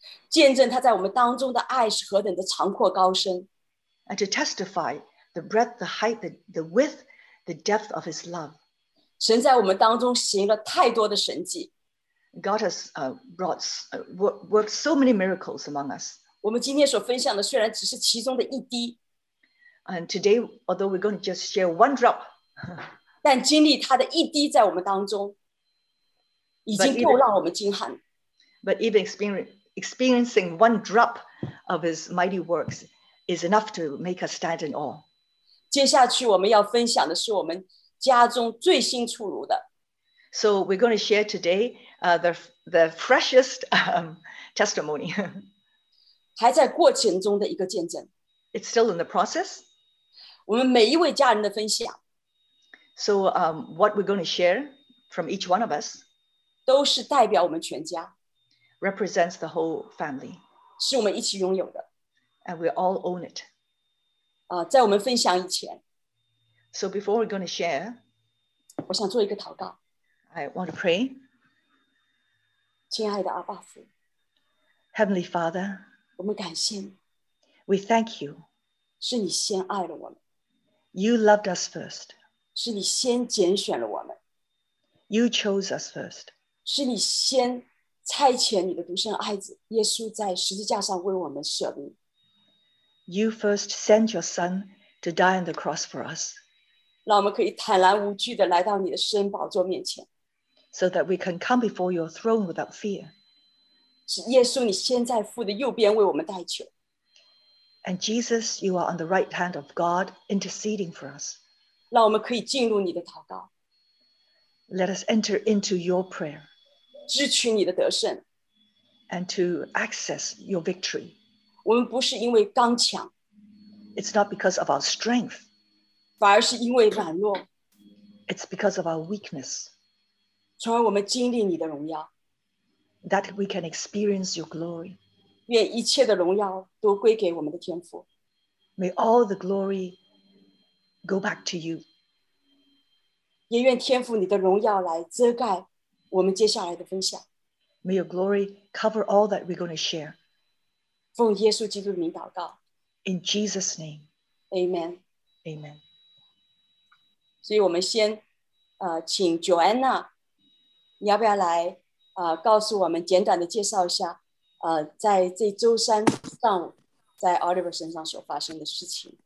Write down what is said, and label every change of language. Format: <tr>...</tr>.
<zh>见证他在我们当中的爱是何等的长阔高深,</zh> <en>and to testify the breadth, the height, the width, the depth of his love.</en> <zh>神在我们当中行了太多的神迹,</zh> <en>God has worked so many miracles among us.</en> <zh>我们今天所分享的虽然只是其中的一滴,</zh> <en>and today, although we're going to just share one drop,</en> <zh>但经历他的一滴在我们当中, 已经够让我们惊叹,</zh> <en>but even experiencing one drop of his mighty works is enough to make us stand in awe.</en> <zh>接下去我们要分享的是我们家中最新出炉的,</zh> <en>so we're going to share today the freshest testimony.</en> <zh>还在过程中的一个见证,</zh> <en>it's still in the process.</en> <zh>我们每一位家人的分享,</zh> <en>so what we're going to share from each one of us</en> <zh>都是代表我们全家,</zh> <en>represents the whole family,</en> <zh>是我们一起拥有的,</zh> <en>and we all own it.</en> <zh>在我们分享以前,</zh> <en>so before we're going to share,</en> <zh>我想做一个祷告,</zh> <en>I want to pray.</en> <zh>亲爱的阿爸父,</zh> <en>Heavenly Father,</en> <zh>我们感谢你,</zh> <en>we thank you.</en> <zh>是你先爱了我们,</zh> <en>you loved us first.</en> <zh>是你先拣选了我们,</zh> <en>you chose us first.</en> <zh>是你先差遣你的独生爱子, 耶稣在十字架上为我们舍命,</zh> <en>you first sent your son to die on the cross for us,</en> <zh>让我们可以坦然无惧地来到你的身宝座面前,</zh> <en>so that we can come before your throne without fear.</en> <zh>是耶稣你先在父的右边为我们代求,</zh> <en>and Jesus, you are on the right hand of God interceding for us.</en> <zh>让我们可以进入你的祷告,</zh> <en>let us enter into your prayer,</en> <zh>支取你的得胜,</zh> <en>and to access your victory.</en> <zh>我们不是因为刚强,</zh> <en>it's not because of our strength,</en> <zh>反而是因为软弱,</zh> <en>it's because of our weakness,</en> <zh>从而我们经历你的荣耀,</zh> <en>that we can experience your glory.</en> <zh>愿一切的荣耀都归给我们的天父,</zh> <en>may all the glory go back to you,</en> <zh>也愿天父你的荣耀来遮盖我们接下来的分享,</zh> <en>may your glory cover all that we're going to share.</en> <zh>奉耶稣基督的名祷告,</zh> <en>in Jesus' name, Amen. Amen.</en> <zh>所以我们先 请 Joanna, 你要不要来 告诉我们简短的介绍一下 在这周三上午 在Oliver身上所发生的事情。</zh>